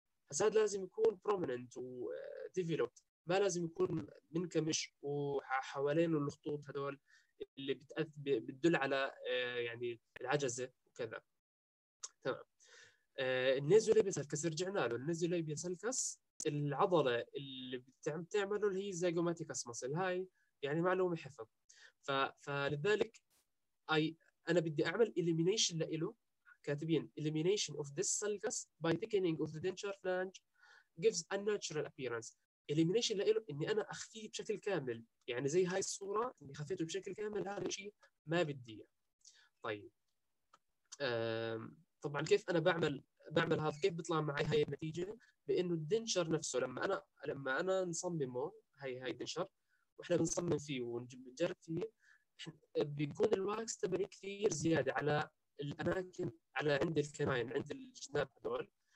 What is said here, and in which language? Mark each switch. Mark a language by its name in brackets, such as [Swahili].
[Arabic] بس هذا لازم يكون بروميننت وديفلوبت، ما لازم يكون منكمش وحوالين الخطوط هذول اللي بتدل على يعني العجزه وكذا. تمام. النيزو ليبيا سلكس، رجعنا له، النيزو ليبيا سلكس العضله اللي بتعمله اللي هي زيجوماتيكس مسل، هاي يعني معلومه حفظ. فلذلك انا بدي اعمل اليمينيشن له، كاتبين [English] elimination of this sulcus by thickening of the denture flange gives a natural appearance. [Arabic] elimination لإله إني أنا أخفيه بشكل كامل، يعني زي هاي الصورة إني خفيته بشكل كامل، هذا الشيء ما بدي. طيب طبعا كيف أنا بعمل هذا، كيف بطلع معي هاي النتيجة؟ بإنه الدنشر نفسه لما أنا نصممه، هاي الدنشر وإحنا بنصمم فيه ونجرب فيه، بيكون الواكس تبعي كثير زيادة على الأماكن، على عند الكناين، عند الجناب هذول.